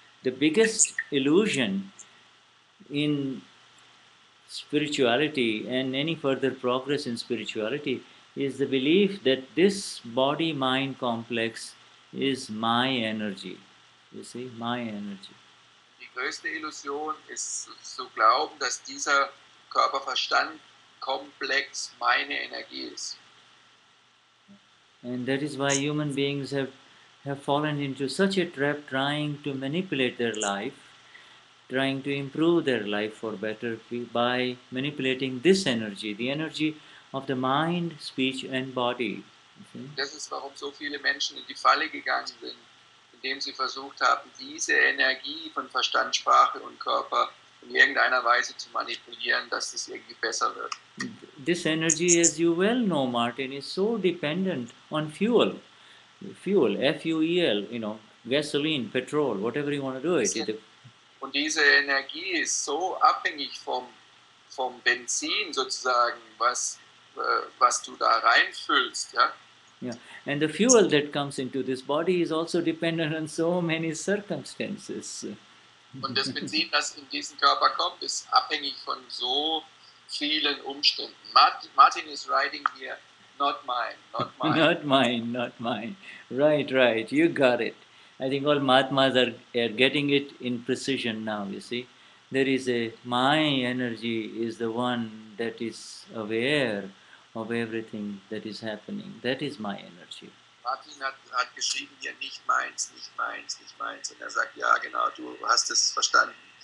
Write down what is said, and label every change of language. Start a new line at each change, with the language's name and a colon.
English: The biggest illusion in spirituality and any further progress in spirituality is the belief that this body-mind complex is my energy. You see, my energy.
German: Die größte Illusion ist zu glauben, dass dieser Körperverstand-Komplex meine Energie ist.
English: And that is why human beings have fallen into such a trap trying to manipulate their life, trying to improve their life for better by manipulating this energy, the energy of the mind, speech and body.
German: Das ist, warum so viele Menschen in die Falle gegangen sind, indem sie versucht haben, diese Energie von Verstand, Sprache und Körper in irgendeiner Weise zu manipulieren, dass es irgendwie besser wird.
English: This energy, as you well know, Martin, is so dependent on fuel. Fuel, F-U-E-L, you know, gasoline, petrol, whatever you want to do it.
German: Und diese Energie ist so abhängig vom Benzin sozusagen, was du da reinfüllst, ja?
English: Yeah. And the fuel that comes into this body is also dependent on so many circumstances.
German: Und das Benzin, das in diesen Körper kommt, ist abhängig von so vielen Umständen.
English: Martin is writing here, not mine. Right, you got it. I think all Mahatmas are getting it in precision now, you see. There is my energy is the one that is aware of everything that is happening. That is my energy.
German: Martin hat geschrieben hier, nicht meins. Und sagt, ja, genau, du hast es verstanden.